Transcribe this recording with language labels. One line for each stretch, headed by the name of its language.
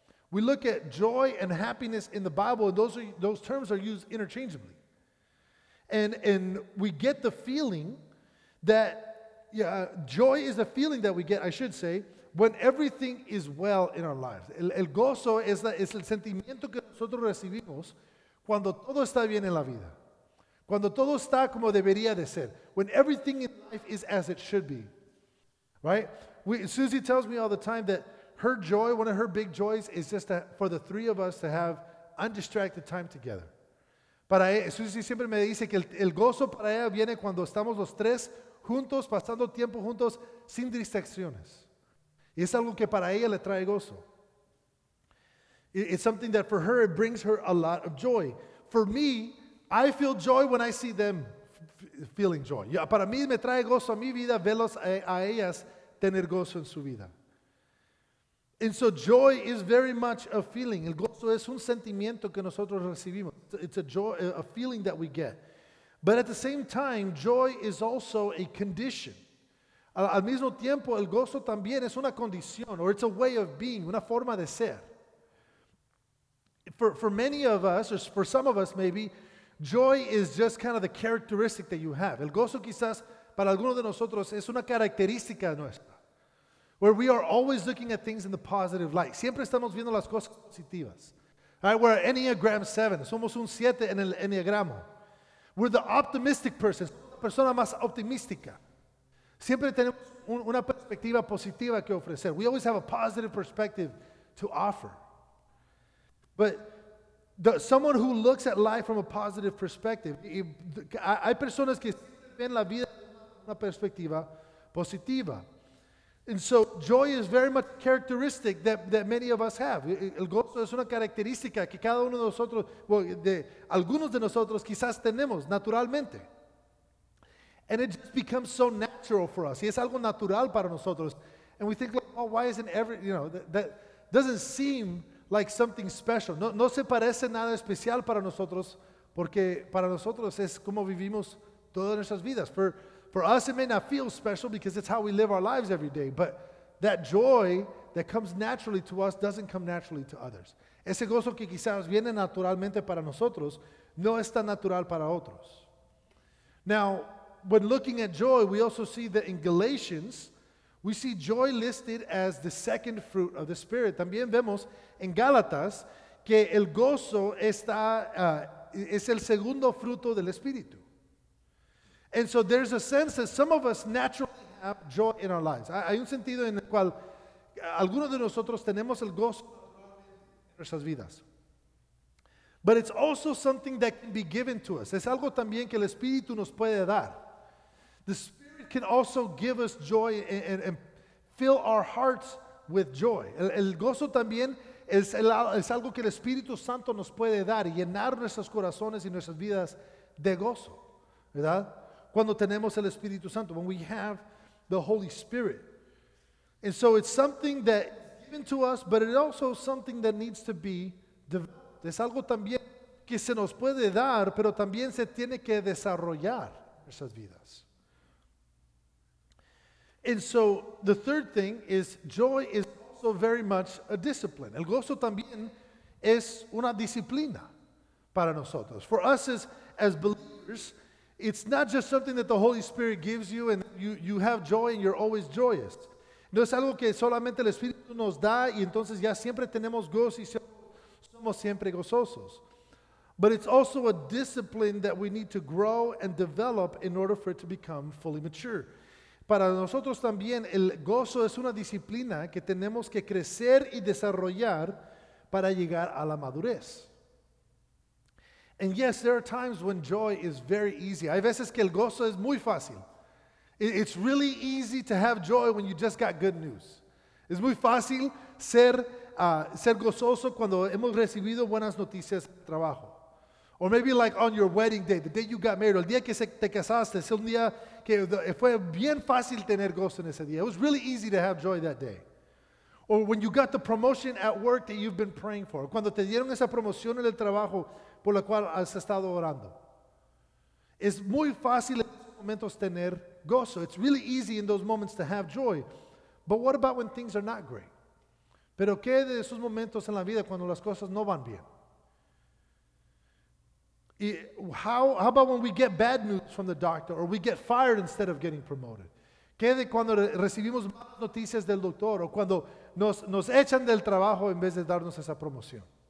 English: We look at joy and happiness in the Bible, and those terms are used interchangeably. And we get the feeling that, yeah, joy is a feeling that we get, I should say, when everything is well in our lives.
Spanish: El gozo es el sentimiento que nosotros recibimos cuando todo está bien en la vida. Cuando todo está como debería de ser.
English: When everything in life is as it should be. Right? Susie tells me all the time that her joy, one of her big joys, is just for the three of us to have undistracted time together.
Spanish: Susie siempre me dice que el gozo para ella viene cuando estamos los tres juntos, pasando tiempo juntos, sin distracciones. Y es algo que para ella le trae gozo.
English: It's something that for her, it brings her a lot of joy. For me, I feel joy when I see them feeling joy.
Spanish: Yeah, para mí, me trae gozo a mi vida, verlos a ellas tener gozo en su vida.
English: And so joy is very much a feeling.
Spanish: El gozo es un sentimiento que nosotros recibimos.
English: It's a joy, a feeling that we get. But at the same time, joy is also a condition.
Spanish: Al mismo tiempo, el gozo también es una condición,
English: or it's a way of being,
Spanish: una forma de ser.
English: For many of us, or for some of us maybe, joy is just kind of the characteristic that you have.
Spanish: El gozo quizás para algunos de nosotros es una característica nuestra.
English: Where we are always looking at things in the positive light.
Spanish: Siempre estamos viendo las cosas positivas.
English: Right? We're Enneagram 7.
Spanish: Somos un 7 en el Enneagramo.
English: We're the optimistic person,
Spanish: la persona más optimística. Siempre tenemos una perspectiva positiva que ofrecer.
English: We always have a positive perspective to offer. But someone who looks at life from a positive perspective,
Spanish: hay personas que ven la vida con una perspectiva positiva.
English: And so joy is very much characteristic that many of us have.
Spanish: El gozo es una característica que cada uno de nosotros, algunos de nosotros quizás tenemos naturalmente.
English: And it just becomes so natural for us.
Spanish: Y es algo natural para nosotros.
English: And we think, oh, why isn't every, you know, that doesn't seem like something special.
Spanish: No se parece nada especial para nosotros, porque para nosotros es como vivimos todas nuestras vidas.
English: For us, it may not feel special because it's how we live our lives every day, but that joy that comes naturally to us doesn't come naturally to others.
Spanish: Ese gozo que quizás viene naturalmente para nosotros no es tan natural para otros. Now,
English: when looking at joy, we also see that in Galatians, we see joy listed as the second fruit of the Spirit.
Spanish: También vemos en Gálatas que el gozo está es el segundo fruto del Espíritu.
English: And so there's a sense that some of us naturally have joy in our lives.
Spanish: Hay un sentido en el cual algunos de nosotros tenemos el gozo en nuestras vidas.
English: But it's also something that can be given to us.
Spanish: Es algo también que el Espíritu nos puede dar.
English: The Spirit can also give us joy and fill our hearts with joy.
Spanish: El gozo también es algo que el Espíritu Santo nos puede dar y llenar nuestros corazones y nuestras vidas de gozo, ¿verdad? Cuando tenemos el Espíritu Santo,
English: when we have the Holy Spirit. And so it's something that is given to us, but it's also something that needs to be developed.
Spanish: Es algo también que se nos puede dar, pero también se tiene que desarrollar nuestras vidas.
English: And so the third thing is joy is also very much a discipline.
Spanish: El gozo también es una disciplina para nosotros.
English: For us as believers, it's not just something that the Holy Spirit gives you and you have joy and you're always joyous.
Spanish: No es algo que solamente el Espíritu nos da y entonces ya siempre tenemos gozo y somos siempre gozosos.
English: But it's also a discipline that we need to grow and develop in order for it to become fully mature.
Spanish: Para nosotros también el gozo es una disciplina que tenemos que crecer y desarrollar para llegar a la madurez.
English: And yes, there are times when joy is very easy.
Spanish: Hay veces que el gozo es muy fácil.
English: It's really easy to have joy when you just got good news.
Spanish: Es muy fácil ser gozoso cuando hemos recibido buenas noticias de trabajo.
English: Or maybe like on your wedding day, the day you got married,
Spanish: el día que te casaste, es un día que fue bien fácil tener gozo en ese día.
English: It was really easy to have joy that day. Or when you got the promotion at work that you've been praying for.
Spanish: Cuando te dieron esa promoción en el trabajo por la cual has estado orando. Es muy fácil en esos momentos tener gozo.
English: It's really easy in those moments to have joy. But what about when things are not great?
Spanish: Pero ¿qué de esos momentos en la vida cuando las cosas no van bien?
English: How about when we get bad news from the doctor or we get fired instead of getting promoted?
Spanish: ¿Qué de cuando recibimos malas noticias del doctor o cuando nos echan del trabajo en vez de darnos esa promoción?